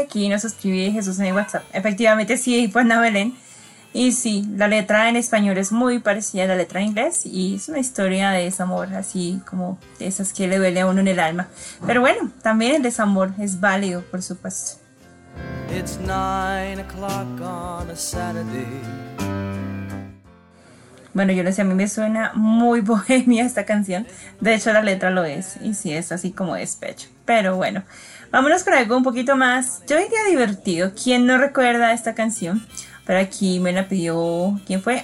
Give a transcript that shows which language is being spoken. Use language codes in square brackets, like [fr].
[es] Aquí nos escribe Jesús en el WhatsApp. Efectivamente sí, fue Ana Belén. Y sí, la letra en español es muy parecida a la letra en inglés y es una historia de desamor, así como de esas que le duele a uno en el alma. Pero bueno, también el desamor es válido, por supuesto. [en] It's 9 o'clock on a Saturday. [es] Bueno, yo lo sé, a mí me suena muy bohemia esta canción. De hecho, la letra lo es y sí, es así como despecho. Pero bueno, vámonos con algo un poquito más. Yo diría divertido. ¿Quién no recuerda esta canción? Pero aquí me la pidió, ¿quién fue?